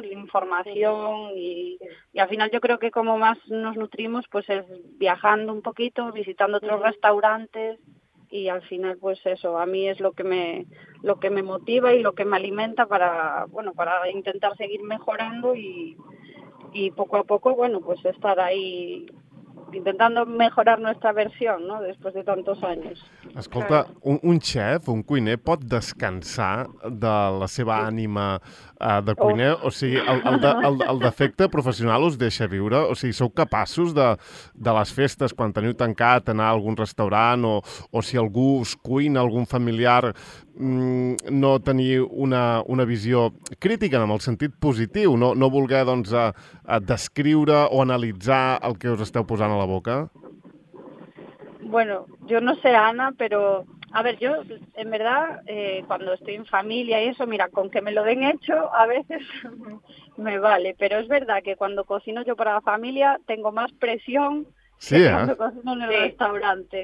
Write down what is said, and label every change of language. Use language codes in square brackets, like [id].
[es] La información y al final yo creo que como más nos nutrimos pues es viajando un poquito, visitando otros restaurantes y al final pues eso, a mí es lo que me motiva y lo que me alimenta para, bueno, para intentar seguir mejorando y poco a poco, bueno, pues estar ahí intentando mejorar nuestra versión, ¿no? Después de tantos años. [ca] Escolta, un chef, un cuiner, pot descansar de la seva ànima de cuiner? O sigui, el defecte professional us deixa viure? O sigui, sou capaços de les festes, quan teniu tancat, anar a algun restaurant o si algú us cuina, algun familiar, no tenir una visió crítica, en el sentit positiu, no voler, doncs, descriure o analitzar el que us esteu posant a la boca? [es] Bueno, yo no sé, Ana, pero a ver, yo en verdad cuando estoy en familia y eso, mira, con que me lo den hecho a veces me vale, pero es verdad que cuando cocino yo para la familia tengo más presión. Sí, que cuando cocino en el restaurante.